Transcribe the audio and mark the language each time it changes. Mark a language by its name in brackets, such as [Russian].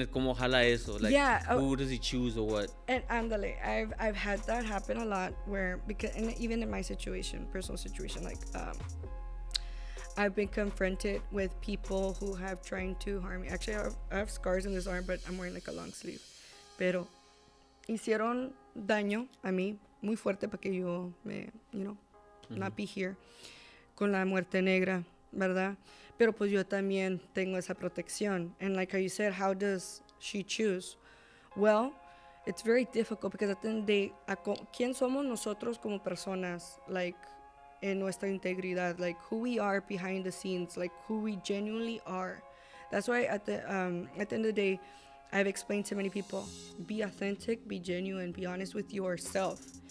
[Spanish] como jala eso, [English] like, yeah, who does he choose or what? And andale, I've had that happen a lot, where because, and even in my situation, personal situation, like I've been confronted with people who have tried to harm me. Actually, I have scars in this arm, but I'm wearing like a long sleeve. [Spanish] Pero hicieron daño a mí muy fuerte para que yo me, [English] you know, [Spanish] mm-hmm. [English] not be here [Spanish] con la muerte negra, ¿verdad? Pero pues yo también tengo esa protección. [English] And like you said, how does she choose? Well, it's very difficult because at the end of the day, [Spanish] ¿quién somos nosotros como personas? [English] Like, [Spanish] en nuestra integridad, [English] like who we are behind the scenes, like who we genuinely are. That's why at the end of the day, I've explained to many people, be authentic, be genuine, be honest with yourself.